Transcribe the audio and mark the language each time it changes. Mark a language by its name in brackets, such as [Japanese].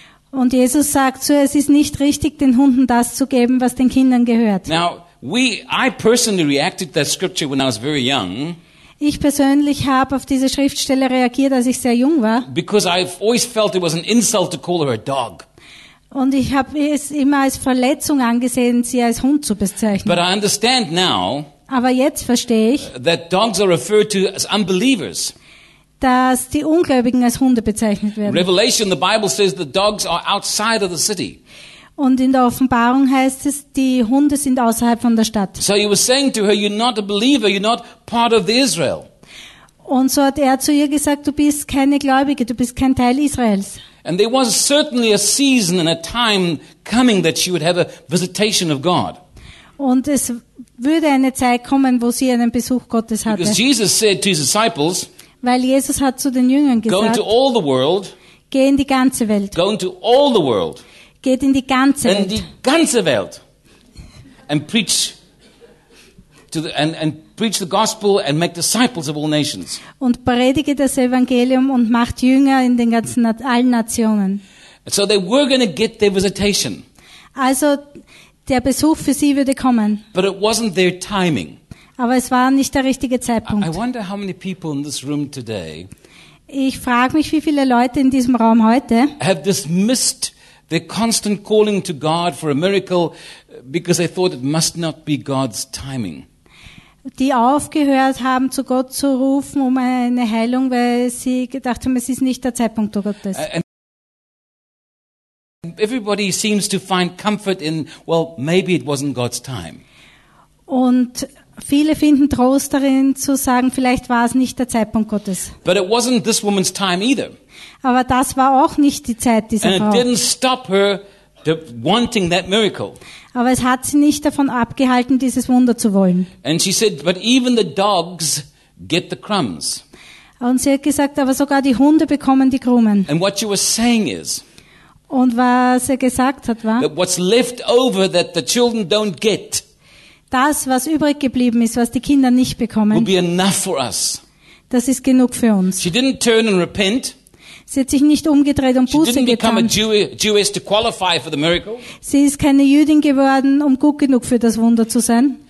[German] Und Jesus sagt zu ihr, es ist nicht richtig, den Hunden das zu geben, was den Kindern gehört. [English] Now, I personally reacted to that scripture when I was very young. [German] Ich persönlich habe auf diese Schriftstelle reagiert, als ich sehr jung war. [English] Because I've always felt it was an insult to call her a dog. [German] Und ich habe es immer als Verletzung angesehen, sie als Hund zu bezeichnen. [English] But I understand now. [German] Aber jetzt verstehe ich. [English] That dogs are referred to as unbelievers. [German] Dass die Ungläubigen als Hunde bezeichnet werden. [English] Revelation, the Bible says the dogs are outside of the city. [German] Und in der Offenbarung heißt es, die Hunde sind außerhalb von der Stadt. [English] So he was saying to her, you're not a believer, you're not part of the Israel. [German] Und so hat er zu ihr gesagt, du bist keine Gläubige, du bist kein Teil Israels. [English] And there was certainly a season and a time coming that she would have a visitation of God. [German] Und es würde eine Zeit kommen, wo sie einen Besuch Gottes hatte. [English] Because Jesus said to his disciples, [German] weil Jesus hat zu den Jüngern gesagt, [English] go into all the world, [German] geh in die ganze Welt. [English] Go into all the world. [German] Geht in die ganze Welt. In die ganze Welt. [English] And preach to the and preach the gospel and make disciples of all nations. [German] Und predige das Evangelium und macht Jünger in den ganzen allen Nationen. [English] So they were going to get their visitation. [German] Also der Besuch für sie würde kommen. [English] But it wasn't their timing. [German] Aber es war nicht der richtige Zeitpunkt. [English] I wonder how many people in this room today. [German] Ich frage mich, wie viele Leute in diesem Raum heute [English] have dismissed their constant calling to God for a miracle because they thought it must not be God's timing. [German] Die aufgehört haben, zu Gott zu rufen um eine Heilung, weil sie gedacht haben, es ist nicht der Zeitpunkt Gottes. [English] Everybody seems to find comfort in, well, maybe it wasn't God's time. [German] Und viele finden Trost darin, zu sagen, vielleicht war es nicht der Zeitpunkt Gottes. [English] But it wasn't this woman's time either. [German] Aber das war auch nicht die Zeit dieser [English] and [German] Frau. [English] It didn't stop her wanting that miracle. [German] Aber es hat sie nicht davon abgehalten, dieses Wunder zu wollen. [English] And she said, but even the dogs get the crumbs. [German] Und sie hat gesagt, aber sogar die Hunde bekommen die Krumen. [English] And what she was saying is, [German] und was er gesagt hat, war, [English] that what's left over that the children don't get, [German] das, was übrig geblieben ist, was die Kinder nicht bekommen, [English] will be enough for us. [German] Das ist genug für uns. [English] She didn't turn and repent. [German] Sie hat sich nicht umgedreht und Buße getan. [English] Jewess to qualify for the miracle. [German] Sie ist keine Jüdin geworden, um gut genug für das Wunder zu sein.